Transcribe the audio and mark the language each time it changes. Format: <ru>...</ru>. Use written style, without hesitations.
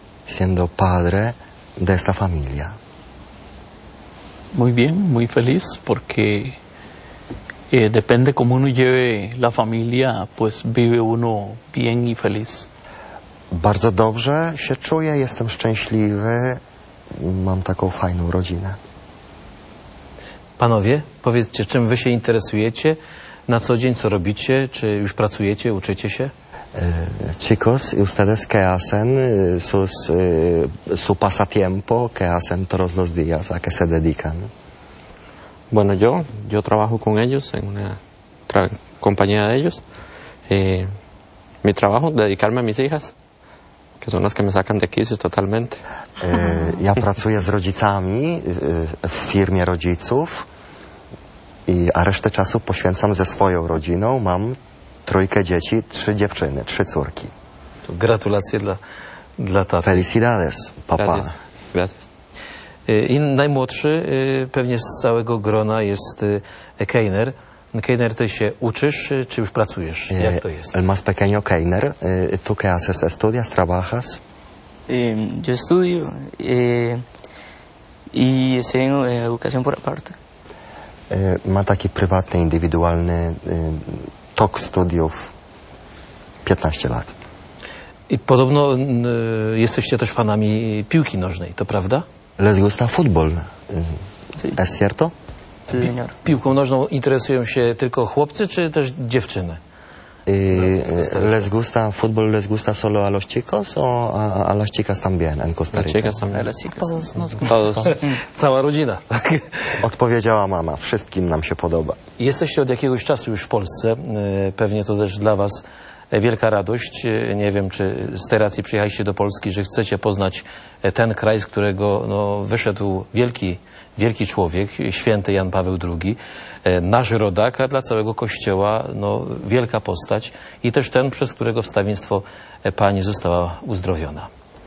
<es>siendo padre de esta familia. Muy bien, muy feliz, porque depende cómo uno lleve la familia, pues vive uno bien y feliz.</es> <pl>Bardzo dobrze się czuję, jestem szczęśliwy, mam taką fajną rodzinę. Panowie, powiedzcie, czym wy się interesujecie na co dzień, co robicie, czy już pracujecie, uczycie się?</pl> <es>Chicos, ¿y ustedes qué hacen? ¿Su pasatiempo? ¿Qué hacen todos los días? ¿A qué se dedican? Bueno, yo trabajo con ellos en una compañía de ellos. Mi trabajo, dedicarme a mis hijas, que son las que me sacan de quicio totalmente.</es> <pl>Ja pracuję z rodzicami w firmie rodziców i a resztę czasu poświęcam ze swoją rodziną. Mam trójkę dzieci, trzy dziewczyny, trzy córki. To gratulacje dla taty.</pl> <es>Felicidades, papa. Gracias.</es> <pl>I najmłodszy pewnie z całego grona jest Keiner. Keiner, ty się uczysz czy już pracujesz? Jak to jest?</pl> <es>El más pequeño Keiner, ¿tú qué haces? ¿Estudias? ¿Trabajas? Yo estudio y estoy en educación por aparte.</es> <pl>Ma taki prywatny, indywidualny tok studiów, 15 lat. I podobno jesteście też fanami piłki nożnej, to prawda?</pl> <es>Les gusta fútbol. ¿Es cierto?</es> <pl>Piłką nożną interesują się tylko chłopcy czy też dziewczyny?</pl> <es>Les gusta fútbol, les gusta solo a los chicos o a las chicas también en Costa Rica? Todos.</es> <pl>Cała rodzina. Odpowiedziała mama, wszystkim nam się podoba. Jesteście od jakiegoś czasu już w Polsce, pewnie to też dla was wielka radość. Nie wiem, czy z tej racji przyjechaliście do Polski, że chcecie poznać ten kraj, z którego no, wyszedł wielki człowiek, święty Jan Paweł II, nasz rodak, a dla całego Kościoła no, wielka postać i też ten, przez którego wstawiennictwo Pani została uzdrowiona.</pl>